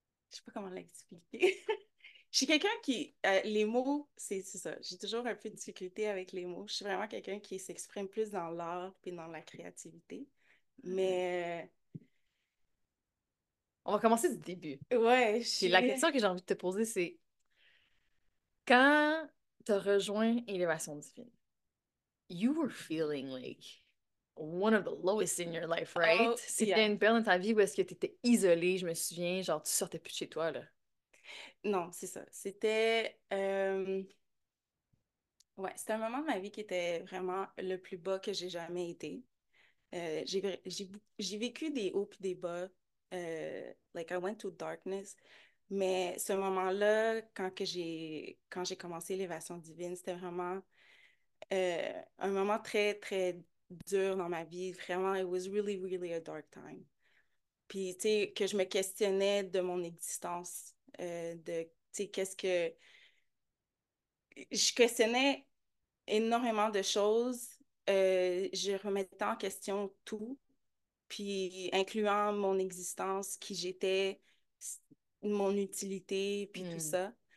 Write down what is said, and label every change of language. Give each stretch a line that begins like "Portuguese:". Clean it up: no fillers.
French: Je sais pas comment l'expliquer. Je suis quelqu'un qui... les mots, c'est ça. J'ai toujours un peu de difficulté avec les mots. Je suis vraiment quelqu'un qui s'exprime plus dans l'art puis dans la créativité. Mais... On va commencer du début. Ouais, puis la question que j'ai envie de te poser, c'est... Quand t'as rejoint Élévation Divine,
English: you were feeling like one of the lowest in your life, right? Oh,
French: c'était
English: yeah.
French: une période dans ta vie où est-ce que tu étais isolée, je me souviens, genre tu sortais plus de chez toi, là. Non, c'est ça. C'était... ouais, c'était un moment de ma vie qui était vraiment le plus bas que j'ai jamais été. J'ai vécu des hauts puis des bas.
English: Like, I went to darkness.
French: Mais ce moment-là, quand j'ai commencé l'élévation divine, c'était vraiment... un moment très, très dur dans ma vie. Vraiment,
English: it was really, really a dark time.
French: Puis, tu sais, que je me questionnais de mon existence, de, tu sais, qu'est-ce que... Je questionnais énormément de choses. Je remettais en question tout, puis incluant mon existence, qui j'étais, mon utilité, puis tout ça.